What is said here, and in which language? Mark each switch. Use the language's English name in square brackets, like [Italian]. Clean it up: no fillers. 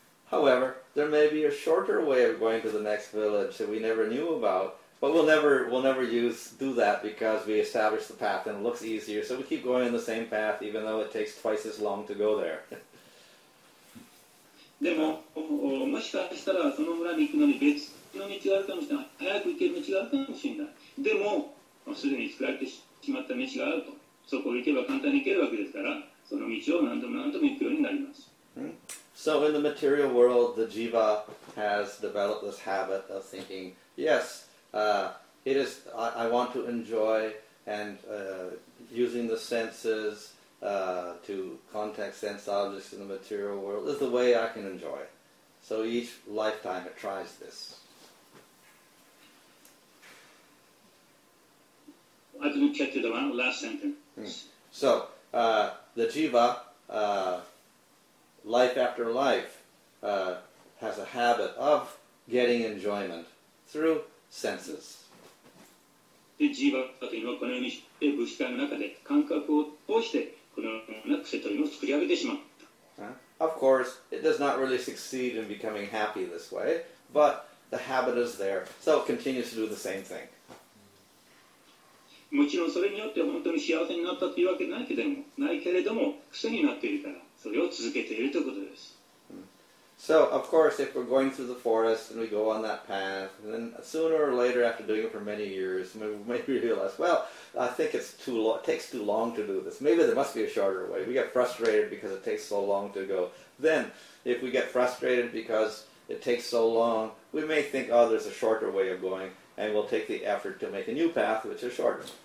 [English] However, there may be a shorter way of going to the next village that we never knew about. But we'll never do that because we established the path and it looks easier. So we keep going in the same path even though it takes twice as long to go there. [Japanese] でも、もしかしたらその村に行くのに別の道があるかもしれない。早く行ける道があるかもしれない。でも、すでに作られてしまった道があると。そこを行けば簡単に行けるわけですから、その道を何度も何度も行くようになります。 [English] So in the material world, the jiva has developed this habit of thinking, yes,I want to enjoy and using the senses to contact sense objects in the material world is the way I can enjoy. So each lifetime it tries this. I didn't catch the last sentence. So the jiva, life after life, has a habit of getting enjoyment through. Senses. [Japanese] で、ジーバというのはこのようにして物質界の中で感覚を通してこのような癖というのを作り上げてしまった。 [English] Of course, it does not really succeed in becoming happy this way, but the habit is there, so it continues to do the same thing. [Japanese] もちろんそれによって本当に幸せになったというわけないけれども、ないけれども癖になっているからそれを続けているということです。 [English] So, of course, if we're going through the forest and we go on that path, then sooner or later, after doing it for many years, maybe we realize, well, I think it's too long, it takes too long to do this. Maybe there must be a shorter way. We get frustrated because it takes so long to go. Then, if we get frustrated because it takes so long, we may think, oh, there's a shorter way of going, and we'll take the effort to make a new path, which is shorter.